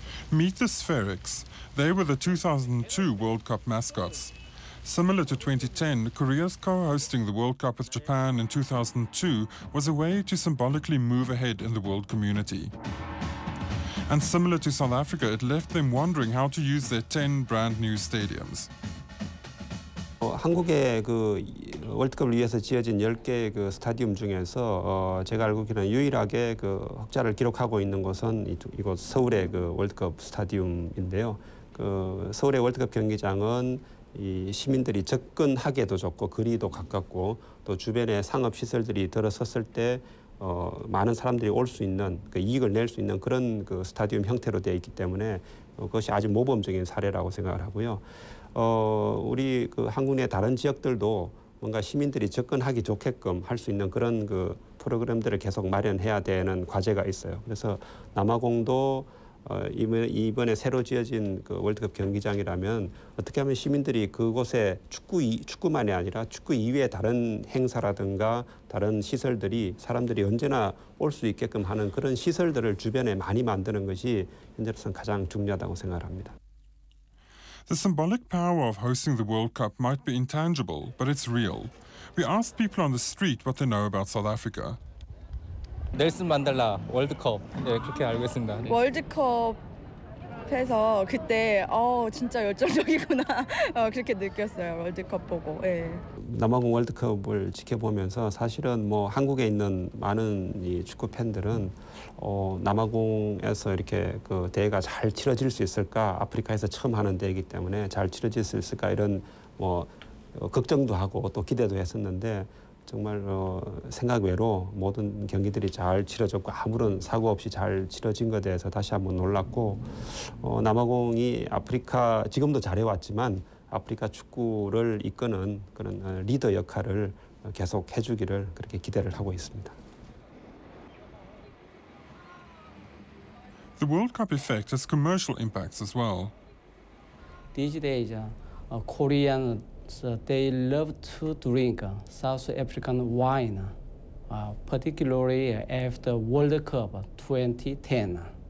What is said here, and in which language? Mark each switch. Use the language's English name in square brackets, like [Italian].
[English] Meet the Sphericks. They were the 2002 World Cup mascots. Similar to 2010, Korea's co-hosting the World Cup with Japan in 2002 was a way to symbolically move ahead in the world community. And similar to South Africa, it left them wondering how to use their 10 brand new stadiums. [Korean] 한국의 그 월드컵을 위해서 지어진 10개의 그 스타디움 중에서 제가 알고기는 유일하게 그 흑자를 기록하고 있는 곳은 이곳 서울의 그 월드컵 스타디움인데요. 그 서울의 월드컵 경기장은 이 시민들이 접근하기에도 좋고 거리도 가깝고 또 주변에 상업 시설들이 들어섰을 때 많은 사람들이 올 수 있는 그 이익을 낼 수 있는 그런 그 스타디움 형태로 되어 있기 때문에 그것이 아주 모범적인 사례라고 생각을 하고요. 우리 그 한국 내 다른 지역들도 뭔가 시민들이 접근하기 좋게끔 할 수 있는 그런 그 프로그램들을 계속 마련해야 되는 과제가 있어요. 그래서 남아공도 이번에 새로 지어진 그 월드컵 경기장이라면 어떻게 하면 시민들이 그곳에 축구만이 아니라 축구 이외의 다른 행사라든가 다른 시설들이 사람들이 언제나 올 수 있게끔 하는 그런 시설들을 주변에 많이 만드는 것이 현재로서는 가장 중요하다고 생각을 합니다. [English] The symbolic power of hosting the World Cup might be intangible, but it's real. We asked people on the street what they know about South Africa. Nelson Mandela, World Cup. [Korean] 네, 그렇게 알고 있습니다. 네. 월드컵에서 그때 진짜 열정적이구나 그렇게 느꼈어요. 월드컵 보고. 네. 남아공 월드컵을 지켜보면서 사실은 뭐 한국에 있는 많은 이 축구 팬들은 남아공에서 이렇게 그 대회가 잘 치러질 수 있을까? 아프리카에서 처음 하는 대회이기 때문에 잘 치러질 수 있을까? 이런 뭐 걱정도 하고 또 기대도 했었는데 정말 생각 외로 모든 경기들이 잘 치러졌고 아무런 사고 없이 잘 치러진 것에 대해서 다시 한번 놀랐고 남아공이 아프리카 지금도 잘해왔지만 아프리카 축구를 이끄는 그런 리더 역할을 계속 해주기를 그렇게 기대를 하고 있습니다. [English] The World Cup effect has commercial impacts as well. These days, Korean so they love to drink South African wine, particularly after World Cup 2010.